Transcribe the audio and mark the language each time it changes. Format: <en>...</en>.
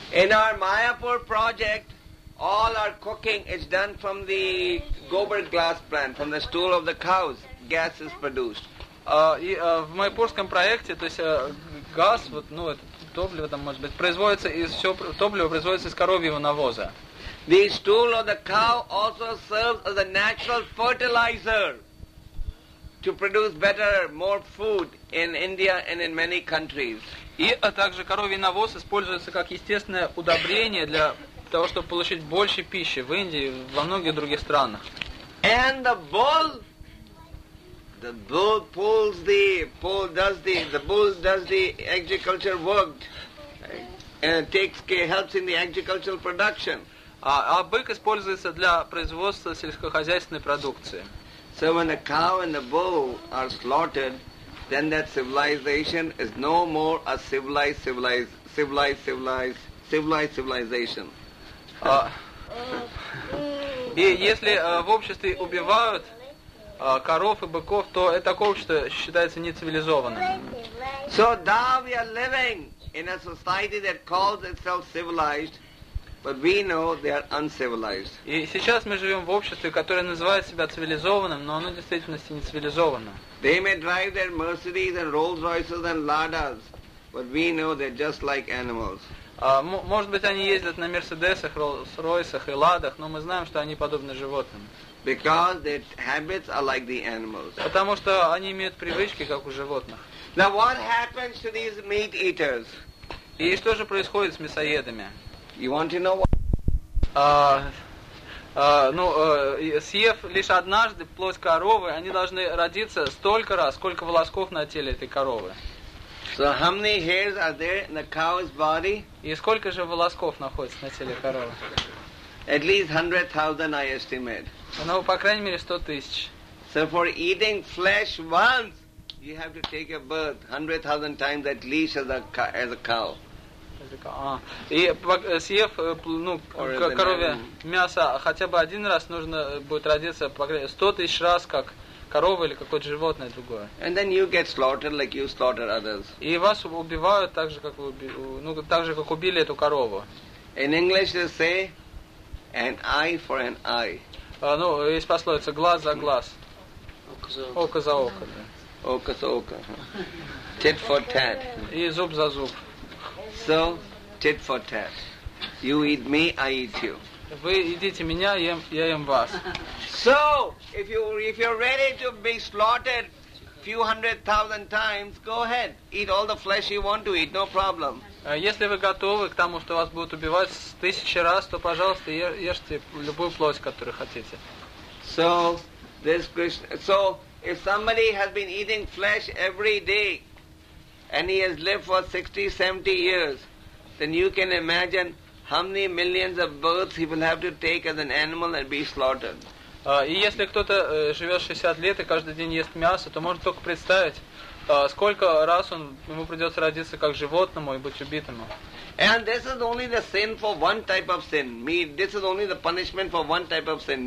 <en>In our Mayapur project, all our cooking is done from the Gobar gas plant, from the stool of the cows. Gas is produced.</en> <ru>В Майпурском проекте, то есть газ, это топливо там может быть, производится из все топливо производится из коровьего навоза.</ru> <en>The stool of the cow also serves as a natural fertilizer to produce better, more food in India and in many countries.</en> <ru>И также коровий навоз используется как естественное удобрение для того, чтобы получить больше пищи в Индии и во многих других странах.</ru> <en>And the bull. The bull pulls the pull does the bull does the agriculture work and takes care helps in the agricultural production.</en> <ru>А бык используется для производства сельскохозяйственной продукции.</ru> <en>So when a cow and a bull are slaughtered, then that civilization is no more a civilized civilization.</en> <ru>И если в обществе убивают коров и быков, то это общество считается нецивилизованным.</ru> <en>So now we are living in a society that calls itself civilized, but we know they are uncivilized.</en> <ru>И сейчас мы живем в обществе, которое называет себя цивилизованным, но оно в действительности нецивилизованно.</ru> <en>They may drive their Mercedes and Rolls Royces and Ladas, but we know they're just like animals.</en> <ru>Может быть, они ездят на Мерседесах, Роллс-Ройсах и Ладах, но мы знаем, что они подобны животным.</ru> <en>Because their habits are like the animals.</en> <ru>Потому что они имеют привычки, как у животных.</ru> <en>Now what happens to these meat eaters?</en> <ru>И что же происходит с мясоедами?</ru> <en>You want to know what?</en> <ru>Съев лишь однажды плоть коровы, они должны родиться столько раз, сколько волосков на теле этой коровы.</ru> <en>So how many hairs are there in the cow's body?</en> <ru>И сколько же волосков находится на теле коровы?</ru> <en>At least 100,000, I estimate.</en> <ru>По крайней мере 100,000.</ru> <en>So for eating flesh once, you have to take a birth 100,000 times at least as a cow.</en> <ru>И съев коровье мясо хотя бы один раз, нужно будет родиться 100,000 раз, как корова или какое-то животное другое.</ru> <en>And then you get slaughtered like you slaughter others.</en> <ru>И вас убивают так же как убили эту корову.</ru> <en>In English they say an eye for an eye.</en> <ru>Есть пословица глаз за глаз. Око за око. Око за око.</ru> <en>Tit for tat.</en> <ru>И зуб за зуб.</ru> <en>So, tit for tat. You eat me, I eat you.</en> <ru>Вы едите меня, я ем вас.</ru> <en>So, if you're ready to be slaughtered few hundred thousand times, go ahead. Eat all the flesh you want to eat, no problem.</en> <ru>Если вы готовы к тому, что вас будут убивать тысячи раз, то, пожалуйста, ешьте любую плоть, которую хотите.</ru> <en>So, this Krishna, so if somebody has been eating flesh every day and he has lived for 60-70 years, then you can imagine how many millions of births he will have to take as an animal and be slaughtered.</en> <ru>И если кто-то живет 60 лет и каждый день ест мясо, то можно только представить, сколько раз ему придется родиться как животному и быть убитому.</ru> <en>And this is only the sin for one type of sin. Meat. This is only the punishment for one type of sin.</en>